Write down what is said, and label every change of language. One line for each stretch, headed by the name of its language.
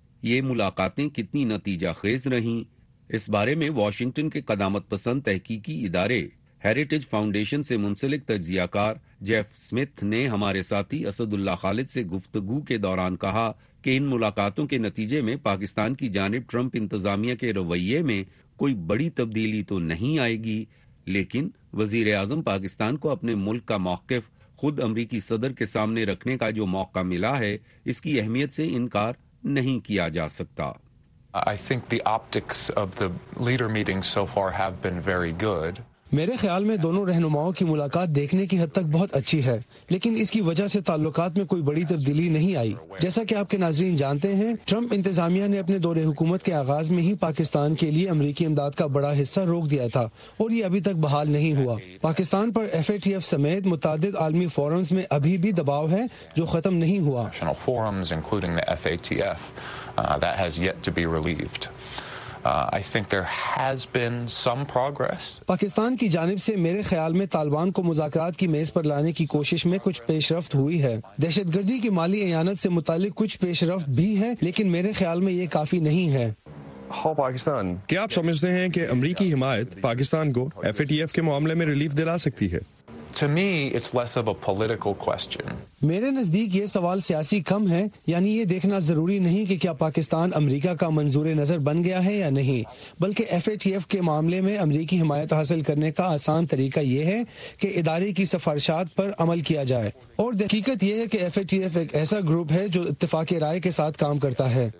Urdu: یہ ملاقاتیں کتنی نتیجہ خیز رہیں اس بارے میں واشنگٹن کے قدامت پسند تحقیقی ادارے ہیریٹیج فاؤنڈیشن سے منسلک تجزیہ کار جیف سمتھ نے ہمارے ساتھی اسد اللہ خالد سے گفتگو کے دوران کہا کہ ان ملاقاتوں کے نتیجے میں پاکستان کی جانب ٹرمپ انتظامیہ کے رویے میں کوئی بڑی تبدیلی تو نہیں آئے گی لیکن وزیر اعظم پاکستان کو اپنے ملک کا موقف خود امریکی صدر کے سامنے رکھنے کا جو موقع ملا ہے اس کی اہمیت سے انکار نہیں کیا جا سکتا.
English: I think the optics of the leader meeting so far have been very good.
Urdu: میرے خیال میں دونوں رہنماؤں کی ملاقات دیکھنے کی حد تک بہت اچھی ہے لیکن اس کی وجہ سے تعلقات میں کوئی بڑی تبدیلی نہیں آئی. جیسا کہ آپ کے ناظرین جانتے ہیں ٹرمپ انتظامیہ نے اپنے دور حکومت کے آغاز میں ہی پاکستان کے لیے امریکی امداد کا بڑا حصہ روک دیا تھا اور یہ ابھی تک بحال نہیں ہوا. پاکستان پر ایف اے ٹی ایف سمیت متعدد عالمی فورمز میں ابھی بھی دباؤ ہے جو ختم نہیں ہوا. پاکستان کی جانب سے میرے خیال میں طالبان کو مذاکرات کی میز پر لانے کی کوشش میں کچھ پیش رفت ہوئی ہے. دہشت گردی کی مالی اعانت سے متعلق کچھ پیش رفت بھی ہے لیکن میرے خیال میں یہ کافی نہیں ہے. پاکستان کیا آپ سمجھتے ہیں کہ امریکی حمایت پاکستان کو ایف اے ٹی ایف کے معاملے میں ریلیف دلا سکتی ہے؟
English: To me, it's less of a political question.
Urdu: میرے نزدیک یہ سوال سیاسی کم ہے. یعنی یہ دیکھنا ضروری نہیں کہ کیا پاکستان امریکہ کا منظور نظر بن گیا ہے یا نہیں بلکہ ایف اے ٹی ایف کے معاملے میں امریکی حمایت حاصل کرنے کا آسان طریقہ یہ ہے کہ ادارے کی سفارشات پر عمل کیا جائے. اور حقیقت یہ ہے کہ ایف اے ٹی ایف ایک ایسا گروپ ہے جو اتفاق رائے کے ساتھ کام کرتا ہے.